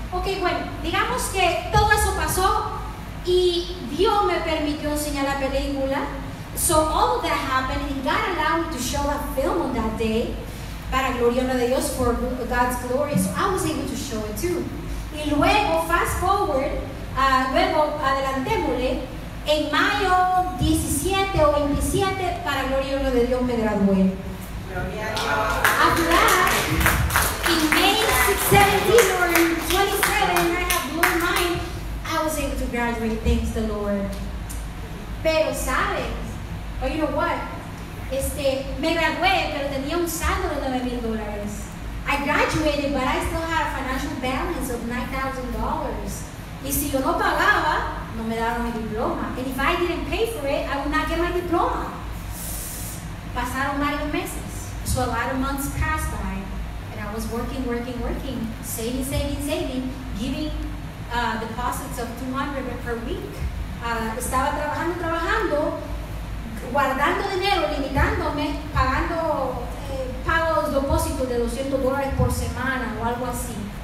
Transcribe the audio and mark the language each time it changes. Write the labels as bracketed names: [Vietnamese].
[Spanish] Ok, bueno, digamos que todo eso pasó y Dios me permitió enseñar la película. [English] So all of that happened and God allowed me to show that film on that day. [Spanish] Para gloria de Dios, [English] for God's glory. So I was able to show it too. [Spanish] Y luego, [English] fast forward, [Spanish] luego adelantémosle, en mayo 17 o 27, para gloria de Dios, me gradué. [English] After that, in May 17 or 27, I have blown mine, I was able to graduate, thanks the Lord. [Spanish] Pero, ¿sabes? [English] Oh, you know what? [Spanish] Me gradué, pero tenía un saldo de $9,000. [English] I graduated, but I still had a financial balance of $9,000. [Spanish] Y si yo no pagaba, no me daban mi diploma. [English] And if I didn't pay for it, I would not get my diploma. [Spanish] Pasaron varios meses. [English] So a lot of months passed by. And I was working, saving, giving deposits of $200 per week. [Spanish] Estaba trabajando, guardando dinero, limitándome, pagando pagos de depósitos de $200 por semana o algo así.